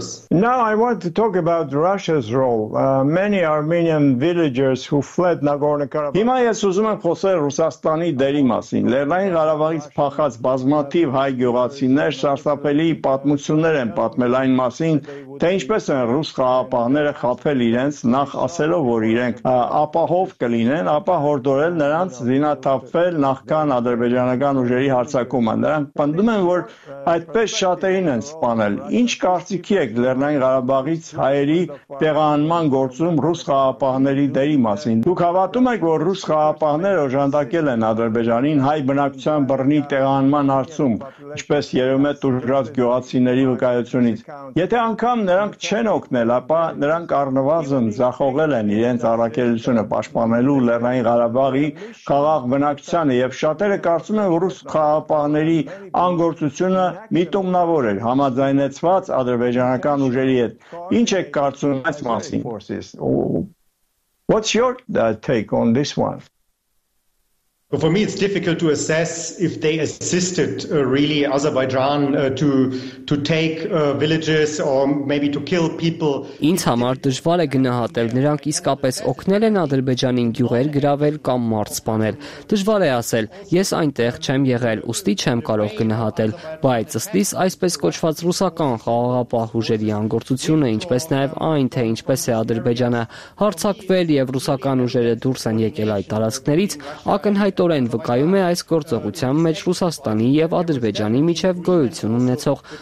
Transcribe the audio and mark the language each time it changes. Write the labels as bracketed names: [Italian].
[English] Now I want to talk about Russia's role. Many Armenian villagers who fled Nagorno-Karabakh. [Armenian] Հիմա ես ուզում եմ խոսել Ռուսաստանի դերի մասին։ Լեռնային Ղարաբաղից փախած բազմաթիվ հայ գյուղացիներ սարսափելի պատմություններ են պատմել այն մասին, թե ինչպես են ռուս խաղապահները խաբել իրենց, նախ ասելով, որ իրենք ապահով կլինեն, ապա հորդորել նրանց զինաթափվել նախքան ադրբեջանական ուժերի հարձակումը։ Նրանք պնդում են, որ այդպես շատերին են սպանել։ Ինչ կարծիքի եք Լեռնային Ղարաբաղից հայերի տեղահանման գործում ռուս խաղապահների դերի մասին։ Դուք հավատո՞ւմ եք, որ ռուս խաղապահները օժանդակել են Ադրբեջանին հայ բնակության բռնի տեղանման արցում, ինչպես երևում է տուժած գյուղացիների վկայությունից։ Եթե անգամ նրանք չեն օգնել, ապա նրանք առնվազն զախողել են իրենց առաքելությունը պաշտպանելու Լեռնային Ղարաբաղի քաղաք բնակչությանը, եւ շատերը կարծում են, որ ռուս խաղապահների անգործությունը միտումնավոր էր, համաձայնեցված ադրբեջանական ուժերի հետ։ Ինչ եք կարծում այս մասին? [English] What's your take on this one? For me, it's difficult to assess if they assisted really Azerbaijan to take villages or maybe to kill people. [Armenian] Ինձ համար դժվար է գնահատել նրանք իսկապես օգնել են Ադրբեջանին գյուղեր գրավել կամ մարդ սպանել։ Դժվար է ասել, ես այնտեղ չեմ եղել, ուստի չեմ կարող գնահատել, բայց ըստ իս այսպես կոչված ռուսական խաղաղապահ ուժերի անգործությունը, ինչպես նաև այն, թե ինչպես է Ադրբեջանը հարձակվել եւ ռուսական ուժերը դուրս են եկել այդ տարածքներից, ակն հայտորեն վկայում է այս գործողության մեջ Ռուսաստանի եւ Ադրբեջանի միջև գոյություն ունեցող